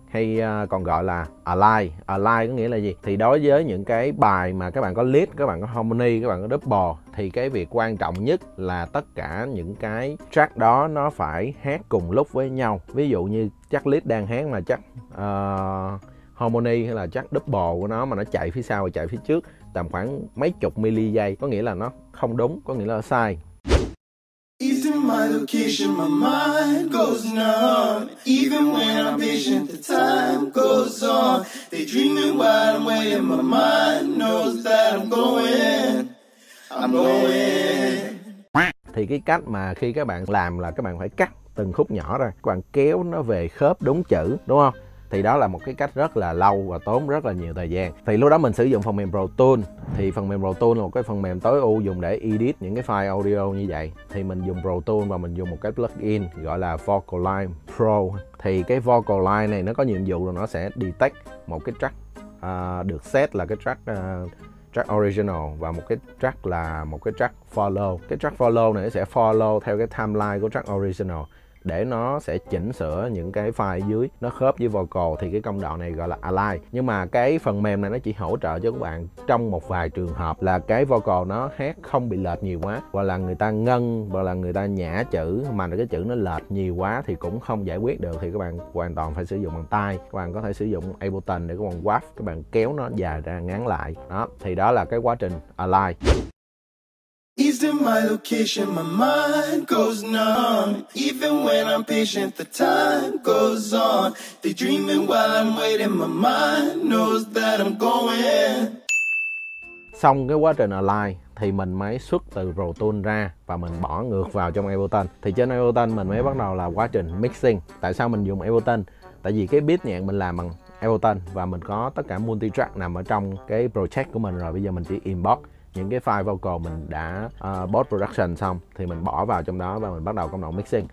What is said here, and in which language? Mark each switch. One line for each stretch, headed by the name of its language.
Vietnamese: hay còn gọi là align. Align có nghĩa là gì? Thì đối với những cái bài mà các bạn có lead, các bạn có harmony, các bạn có double, thì cái việc quan trọng nhất là tất cả những cái track đó nó phải hát cùng lúc với nhau. Ví dụ như chắc lead đang hát mà chắc harmony hay là chắc double của nó mà nó chạy phía sau và chạy phía trước tầm khoảng mấy chục mili giây, có nghĩa là nó không đúng, có nghĩa là sai.
English: My location, my mind goes numb. Even when I'm patient, the time goes on. They dream me while I'm waiting. My mind knows that I'm going.
Vietnamese: Thì cái cách mà khi các bạn làm là các bạn phải cắt từng khúc nhỏ ra, các bạn kéo nó về khớp đúng chữ, đúng không? Thì đó là một cái cách rất là lâu và tốn rất là nhiều thời gian. Thì lúc đó mình sử dụng phần mềm Pro Tools. Thì phần mềm Pro Tools là một cái phần mềm tối ưu dùng để edit những cái file audio như vậy. Thì mình dùng Pro Tools và mình dùng một cái plugin gọi là Vocaline Pro. Thì cái Vocaline này nó có nhiệm vụ là nó sẽ detect một cái track được set là cái track track original và một cái track là một cái track follow. Cái track follow này nó sẽ follow theo cái timeline của track original để nó sẽ chỉnh sửa những cái file dưới nó khớp với vocal, thì cái công đoạn này gọi là align. Nhưng mà cái phần mềm này nó chỉ hỗ trợ cho các bạn trong một vài trường hợp là cái vocal nó hát không bị lệch nhiều quá, hoặc là người ta ngân, hoặc là người ta nhả chữ mà cái chữ nó lệch nhiều quá thì cũng không giải quyết được, thì các bạn hoàn toàn phải sử dụng bằng tay. Các bạn có thể sử dụng Ableton để các bạn wav, các bạn kéo nó dài ra ngắn lại đó, thì đó là cái quá trình align.
English: East in my location, my mind goes numb. Even when I'm patient, the time goes on. They dreaming while I'm waiting, my mind knows that I'm going.
Vietnamese: Xong cái quá trình align thì mình mới xuất từ Pro Tools ra và mình bỏ ngược vào trong Ableton. Thì trên Ableton mình mới bắt đầu là quá trình mixing. Tại sao mình dùng Ableton? Tại vì cái beat nhạc mình làm bằng Ableton và mình có tất cả multitrack nằm ở trong cái project của mình rồi. Bây giờ mình chỉ import những cái file vocal mình đã post production xong thì mình bỏ vào trong đó và mình bắt đầu công đoạn mixing.